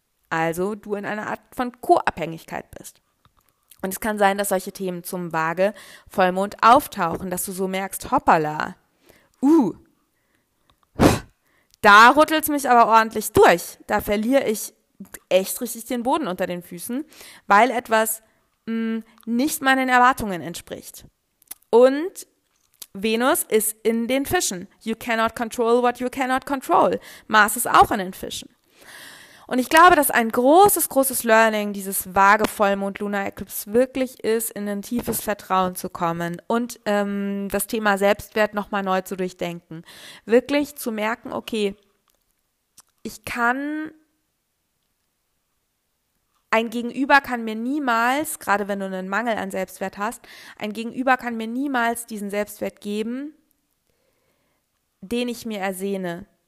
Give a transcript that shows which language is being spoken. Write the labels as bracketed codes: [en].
[de] Also du in einer Art von Co-Abhängigkeit bist. Und es kann sein, dass solche Themen zum Waage-Vollmond auftauchen, dass du so merkst, hoppala, da rüttelt es mich aber ordentlich durch. Da verliere ich echt richtig den Boden unter den Füßen, weil etwas nicht meinen Erwartungen entspricht. Und Venus ist in den Fischen. [en] You cannot control what you cannot control. [de] Mars ist auch in den Fischen. Und ich glaube, dass ein großes, großes Learning dieses Waage-Vollmond-Luna-Eclipse wirklich ist, in ein tiefes Vertrauen zu kommen und das Thema Selbstwert nochmal neu zu durchdenken. Wirklich zu merken, okay, ich kann, ein Gegenüber kann mir niemals, gerade wenn du einen Mangel an Selbstwert hast, ein Gegenüber kann mir niemals diesen Selbstwert geben, den ich mir ersehne.